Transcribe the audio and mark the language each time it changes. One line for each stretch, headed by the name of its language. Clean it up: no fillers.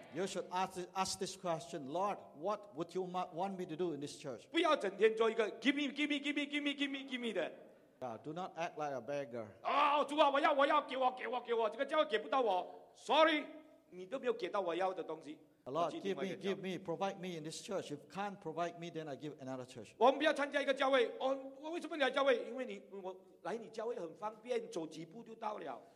English: You should ask this question, Lord, what would you want me to do in this church?
Chinese: 不要整天做一个
English: give me
Chinese: 的。
English: Do not act like a beggar.
Chinese: 哦，主啊，我要，给我，这个教会给不到我。 Sorry, 你都没有给到我要的东西。
English: Lord, give me, provide me in this church. If you can't provide me, then I give another church.
Chinese: 我们不要参加一个教会。我为什么来教会？因为你，我来你教会很方便，走几步就到了。